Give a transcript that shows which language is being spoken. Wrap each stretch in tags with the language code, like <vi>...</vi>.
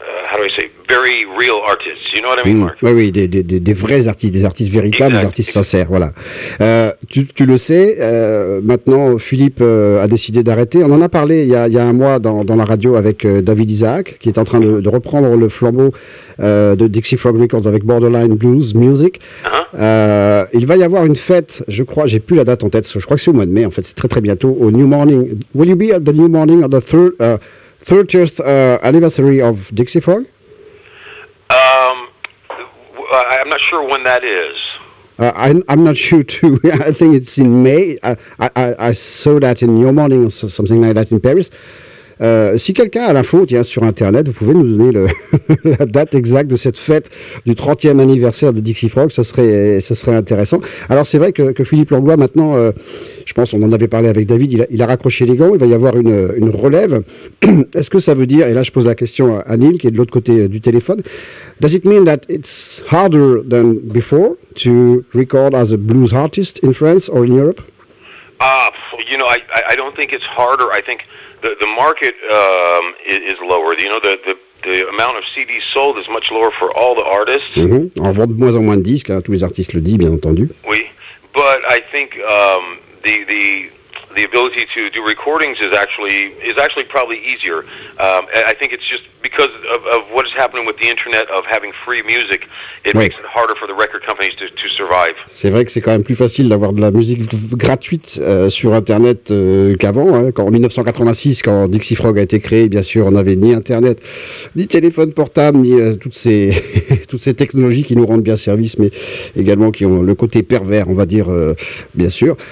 <en>how do I say, very real artists, you know what I mean, Mark?</en> <fr>Oui, oui, des vrais artistes, des artistes véritables, exact, des artistes sincères, voilà. Tu le sais, maintenant, Philippe a décidé d'arrêter. On en a parlé il y a un mois dans la radio avec David Isaac, qui est en train de reprendre le flambeau de Dixie Frog Records avec Borderline Blues Music. Il va y avoir une fête, je crois, j'ai plus la date en tête, je crois que c'est au mois de mai, en fait, c'est très très bientôt, au New Morning.</fr> <en>Will you be at the New Morning on the 30th anniversary of Dixie Frog? I'm not sure when that is. I'm not sure too. I think it's in May. I saw that in your morning or something like that in Paris.</en> <fr>Si quelqu'un a l'info, tiens, sur Internet, vous pouvez nous donner la date exacte de cette fête du 30e anniversaire de Dixie Frog, ça serait intéressant. Alors c'est vrai que Philippe Langlois, maintenant, je pense on en avait parlé avec David, il a raccroché les gants, il va y avoir une relève. Est-ce que ça veut dire, et là je pose la question à Neil qui est de l'autre côté du téléphone,</fr> <en>does it mean that it's harder than before to record as a blues artist in France or in Europe? You know, I don't think it's harder. I think the market is lower. You know, the amount of CDs sold is much lower for all the artists. Mm-hmm.</en> <fr>On vend de moins en moins de disques, hein, tous les artistes le disent, bien entendu. Oui,</fr> <en>but I think the ability to do recordings is actually probably easier. I think it's just because of what is happening with the internet of having free music, it</en> <fr>oui.</fr> <en>makes it harder for the record companies to survive.</en> <fr>C'est vrai que c'est quand même plus facile d'avoir de la musique gratuite sur internet qu'avant, hein. Quand en 1986, quand Dixie Frog a été créé, bien sûr, on n'avait ni internet, ni téléphone portable, ni toutes ces technologies qui nous rendent bien service, mais également qui ont le côté pervers, on va dire, bien sûr.</fr>